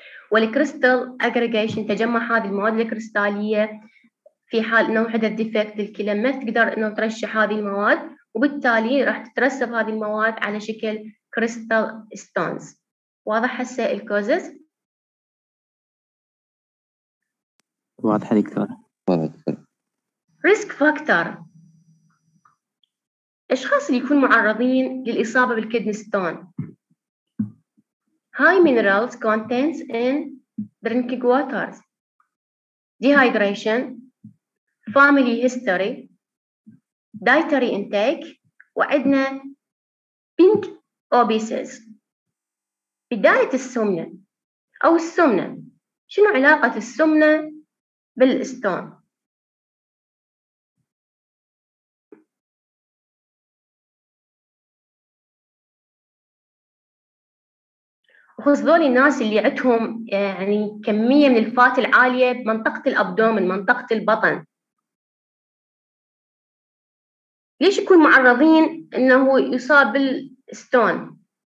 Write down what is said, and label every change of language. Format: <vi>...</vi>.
<ar>والكريستال أجريجيشن، تجمع هذه المواد الكريستالية في حال أنه حدث ديفكت الكلى ما تقدر أنه ترشح هذه المواد، وبالتالي راح تترسب هذه المواد على شكل كريستال ستونز. واضح هسه الكوزز؟ واضح دكتور. ريسك فاكتور، الأشخاص اللي يكون معرضين للإصابة بالكيدني ستون.</ar> <en>High minerals contents in drinking waters. Dehydration. Family history. Dietary intake. وعندنا pink obeses.</en> <ar>بداية السمنة أو السمنة. شنو علاقة السمنة بالستون؟ خصوصا الناس اللي عندهم يعني كميه من الفات العاليه بمنطقه الابدومن، منطقه البطن، ليش يكون معرضين انه يصاب بالستون؟</ar>